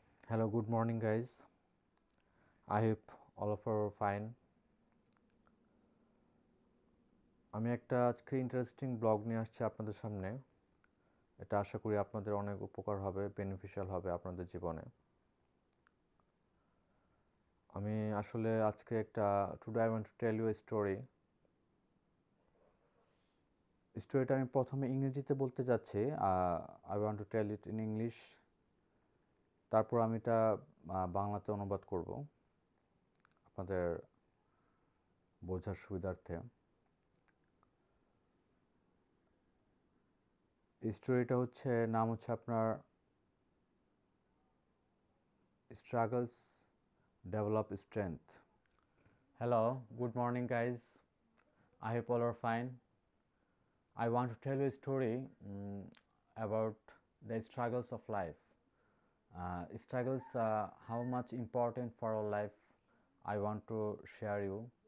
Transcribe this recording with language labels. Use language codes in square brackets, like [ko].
[en] Hello, good morning, guys. I hope all of you are fine. [bn] আমি একটা আজকে interesting blog নিয়ে আসছি আপনাদের সামনে। এটা আশা করি আপনাদের অনেক উপকার হবে, বেনিফিশিয়াল হবে আপনাদের জীবনে। আমি আসলে আজকে একটা [en] Today I want to tell you a story. [bn] স্টোরিটা আমি প্রথমে ইংরেজিতে বলতে যাচ্ছি, [en] I want to tell it in English, [bn] তারপর আমি এটা বাংলাতে অনুবাদ করব আপনাদের বোঝার সুবিধার্থে। স্টোরিটা হচ্ছে, নাম হচ্ছে আপনার struggles develop strength. [en] Hello, good morning guys. I hope all are fine. I want to tell you a story about the struggles of life. Struggles are how much important for our life. I want to share you.